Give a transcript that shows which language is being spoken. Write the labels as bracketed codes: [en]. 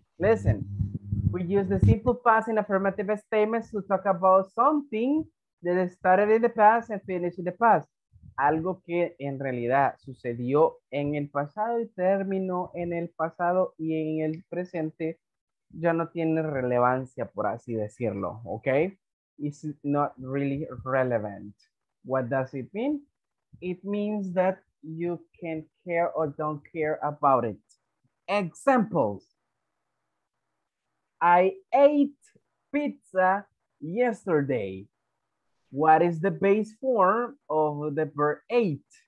[en] Listen, we use the simple past in affirmative statements to talk about something that started in the past and finished in the past. [es] Algo que en realidad sucedió en el pasado y terminó en el pasado y en el presente ya no tiene relevancia, por así decirlo, ¿ok? [en] It's not really relevant. What does it mean? It means that you can care or don't care about it. Examples. I ate pizza yesterday. What is the base form of the verb ate?